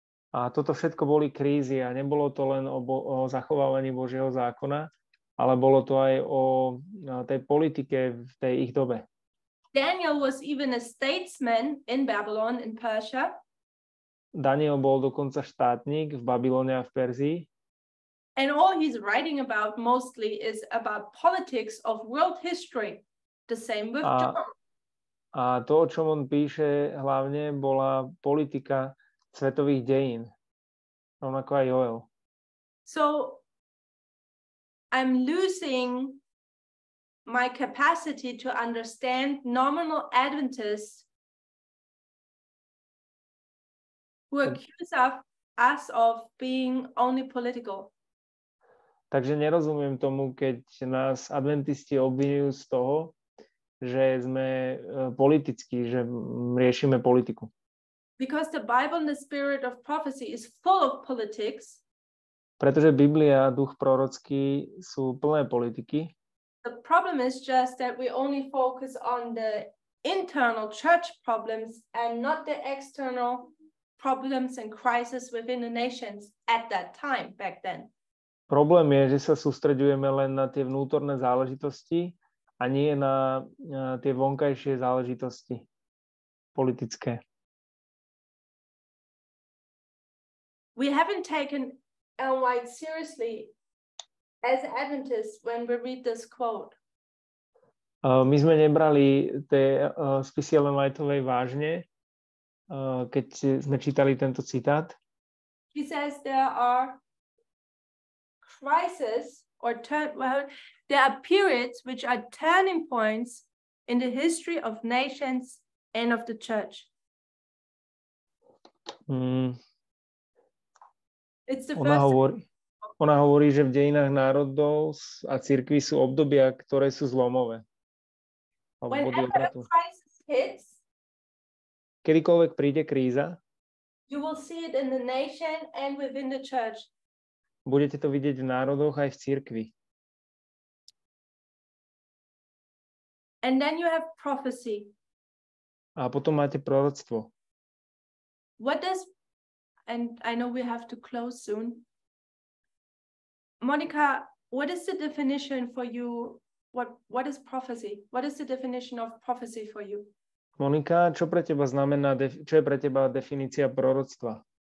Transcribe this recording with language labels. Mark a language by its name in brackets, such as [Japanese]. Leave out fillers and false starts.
[Slovak] A toto všetko boli krízy a nebolo to len o zachovávaní Božieho zákona, ale bolo to aj o tej politike v tej ich dobe. [English] Daniel was even a statesman in Babylon, in Persia. [Slovak] Daniel bol dokonca štátnik v Babylone a v Perzii. [English] And all he's writing about mostly is about politics of world history. The same with John. [Slovak] A to, o čom on píše, hlavne bola politika svetových dejín. Rovnako aj Joel. [English] So I'm losing my capacity to understand nominal Adventists who accuse us of being only political. [Slovak] Takže nerozumiem tomu, keď nás adventisti obvinujú z toho, že sme politickí, že riešime politiku. [English] Because the Bible and the spirit of prophecy is full of politics. [Slovak] Pretože Biblia a duch prorocký sú plné politiky. [English] The problem is just that we only focus on the internal church problems and not the external problems and crisis within the nations at that time back then. [Slovak] Problém je, že sa sústreďujeme len na tie vnútorné záležitosti a nie na tie vonkajšie záležitosti politické. [English] We haven't taken Ellen White seriously as Adventists when we read this quote. [Slovak] My sme nebrali tie spisy Ellen Whiteovej vážne, keď sme čítali tento citát. [English] She says there are crisis or there are periods which are turning points in the history of nations and of the church. It's the [Slovak] ona [English] first [Slovak] hovorí, ona hovorí, že v dejinách národov a cirkvi sú obdobia, ktoré sú zlomové. [English] Whenever a crisis hits, [Slovak] kedykoľvek príde kríza, [English] you will see it in the nation and within the church. [Slovak] Budete to vidieť v národoch aj v cirkvi. [English] And then you have prophecy. [Slovak] A potom máte proroctvo. [English] And I know we have to close soon. Monica, what is the definition for you? What is prophecy? What is the definition of prophecy for you? [Slovak] Monika, čo pre teba znamená, čo je pre teba definícia proroctva?